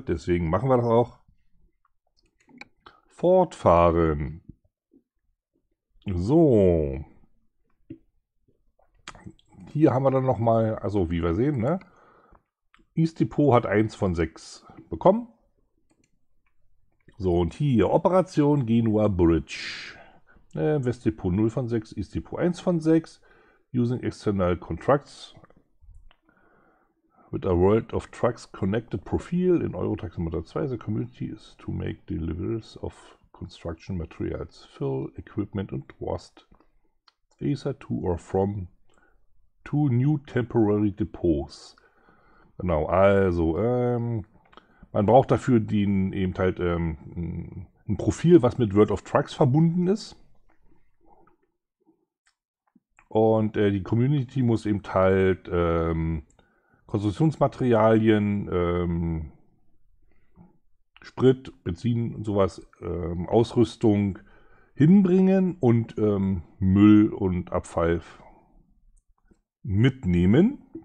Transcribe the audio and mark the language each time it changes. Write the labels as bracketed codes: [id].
[de] Deswegen machen wir das auch. Fortfahren. So. Hier haben wir dann nochmal, also wie wir sehen, ne? East Depot hat 1 von 6 bekommen. So, und hier Operation Genua Bridge. West Depot 0 von 6, East Depot 1 von 6. [en] Using external contracts with a World of Trucks connected profile in Eurotaxi Model 2, the community is to make deliveries of construction materials, fill, equipment and waste either to or from two new temporary depots. [de] Genau, also man braucht dafür den eben halt ein Profil, was mit World of Trucks verbunden ist. Und die Community muss eben halt Konstruktionsmaterialien, Sprit, Benzin und sowas, Ausrüstung hinbringen und Müll und Abfall mitnehmen.